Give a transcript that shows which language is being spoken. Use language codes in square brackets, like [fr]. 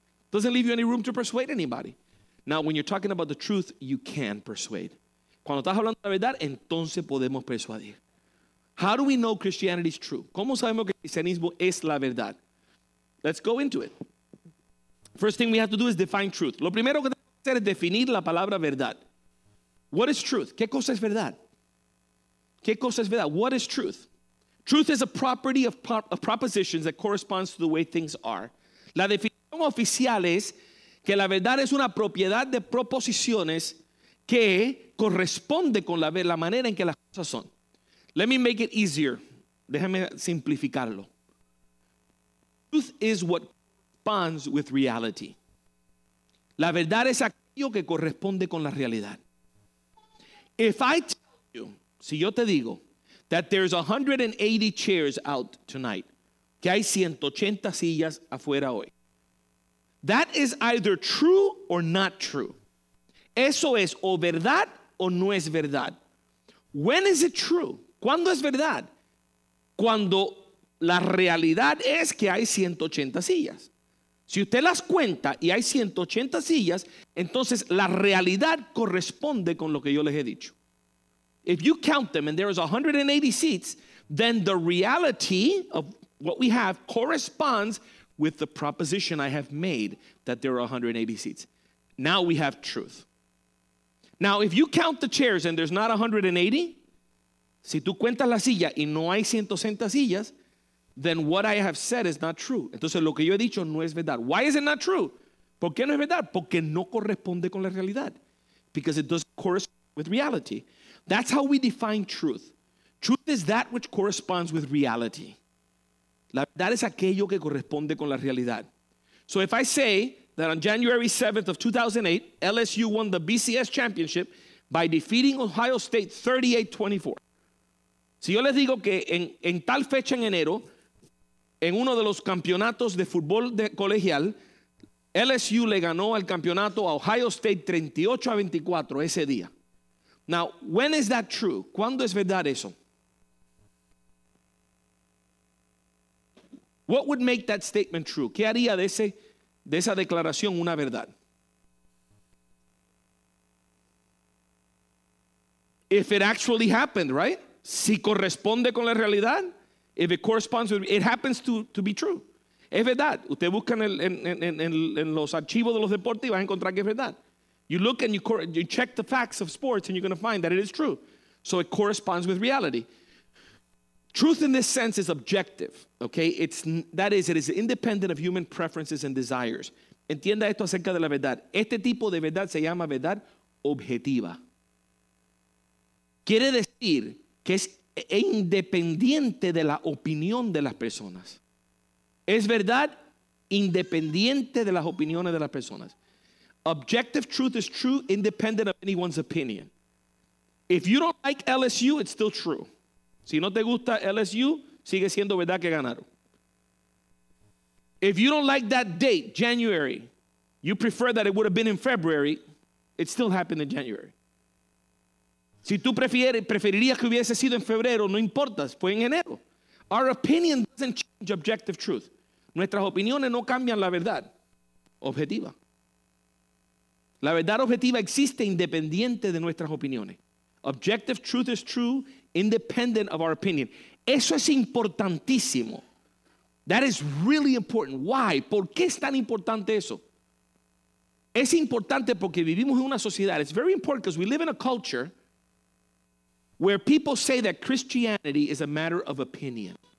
[en] Doesn't leave you any room to persuade anybody. Now, when you're talking about the truth, you can persuade. [es] Cuando estás hablando de la verdad, entonces podemos persuadir. [en] How do we know Christianity is true? [es] ¿Cómo sabemos que el cristianismo es la verdad? [en] Let's go into it. First thing we have to do is define truth. [es] Lo primero que tenemos que hacer es definir la palabra verdad. [en] What is truth? [es] ¿Qué cosa es verdad? ¿Qué cosa es verdad? What is truth? [en] Truth is a property of propositions that corresponds to the way things are. [es] La definición oficial es que la verdad es una propiedad de proposiciones que corresponde con la manera en que las cosas son. [en] Let me make it easier. [es] Déjame simplificarlo. [en] Truth is what corresponds with reality. [es] La verdad es aquello que corresponde con la realidad. [en] If I tell you, [es] si yo te digo, [en] that there's 180 chairs out tonight, [es] que hay 180 sillas afuera hoy, [en] that is either true or not true. [es] Eso es o verdad o no es verdad. [en] When is it true? [es] ¿Cuándo es verdad? Cuando la realidad es que hay 180 sillas. Si usted las cuenta y hay 180 sillas, entonces la realidad corresponde con lo que yo les he dicho. [en] If you count them and there is 180 seats, then the reality of what we have corresponds with the proposition I have made that there are 180 seats. Now we have truth. Now, if you count the chairs and there's not 180, [es] si tú cuentas la silla y no hay 160 sillas, [en] then what I have said is not true. [es] Entonces, lo que yo he dicho no es verdad. [en] Why is it not true? [es] ¿Por qué no es verdad? Porque no corresponde con la realidad. [en] Because it doesn't correspond with reality. That's how we define truth. Truth is that which corresponds with reality. La verdad es aquello que corresponde con la realidad. So if I say that on January 7th of 2008, LSU won the BCS championship by defeating Ohio State 38-24. [es] Si yo les digo que en tal fecha en enero, en uno de los campeonatos de fútbol de colegial, LSU le ganó al campeonato a Ohio State 38-24 ese día. [en] Now, when is that true? [es] ¿Cuándo es verdad eso? [en] What would make that statement true? [es] ¿Qué haría de esa declaración una verdad? [en] If it actually happened, right? [es] Si corresponde con la realidad, [en] if it corresponds with, it happens to be true. [es] Es verdad. Usted busca en los archivos de los deportes y va a encontrar que es verdad. [en] You look and you check the facts of sports and you're going to find that it is true. So it corresponds with reality. Truth in this sense is objective, okay? It is independent of human preferences and desires. [es] Entienda esto acerca de la verdad. Este tipo de verdad se llama verdad objetiva. Quiere decir que es independiente de la opinión de las personas. Es verdad independiente de las opiniones de las personas. [en] Objective truth is true independent of anyone's opinion. If you don't like LSU, it's still true. [es] Si no te gusta LSU, sigue siendo verdad que ganaron. [en] If you don't like that date, January, you prefer that it would have been in February, it still happened in January. [es] Si tú preferirías que hubiese sido en febrero, no importa, fue en enero. [en] Our opinion doesn't change objective truth. [es] Nuestras opiniones no cambian la verdad objetiva. La verdad objetiva existe independiente de nuestras opiniones. [en] Objective truth is true independent of our opinion. [es] Eso es importantísimo. [en] That is really important. Why? [es] ¿Por qué es tan importante eso? Es importante porque vivimos en una sociedad. [en] It's very important because we live in a culture where people say that Christianity is a matter of opinion.